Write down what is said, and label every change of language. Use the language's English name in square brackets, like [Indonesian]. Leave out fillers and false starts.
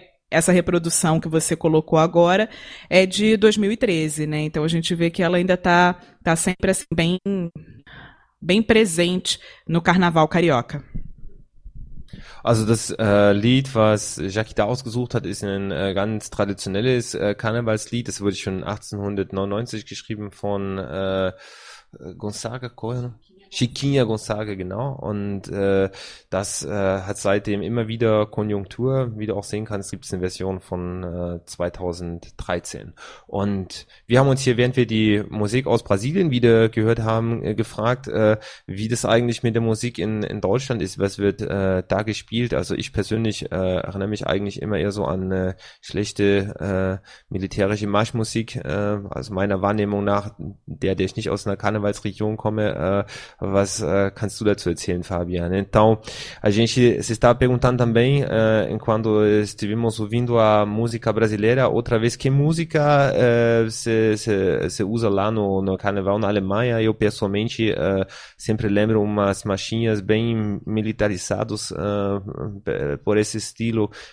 [Portuguese] Essa reprodução que você colocou agora é de 2013, né? Então, a gente vê que ela ainda tá sempre assim, bem, bem presente no Carnaval Carioca. [German] Also das Lied, was Jackie da ausgesucht hat, ist ein ganz traditionelles Karnevalslied. Das wurde schon 1899 geschrieben von Gonzaga, Chiquinha Gonzaga, genau. Und das hat seitdem immer wieder Konjunktur. Wie du auch sehen kannst, gibt es eine Version von 2013. Und wir haben uns hier, während wir die Musik aus Brasilien wieder gehört haben, gefragt, wie das eigentlich mit der Musik in Deutschland ist. Was wird da gespielt? Also ich persönlich erinnere mich eigentlich immer eher so an schlechte militärische Marschmusik. Also meiner Wahrnehmung nach, der ich nicht aus einer Karnevalsregion komme, Was kannst du dazu erzählen, Fabian? [Portuguese] Então, a gente se estava perguntando também, enquanto estivemos ouvindo a música brasileira, outra vez, que música se usa lá no carnaval na Alemanha? Eu, pessoalmente, sempre lembro umas marchinhas bem militarizadas por esse estilo.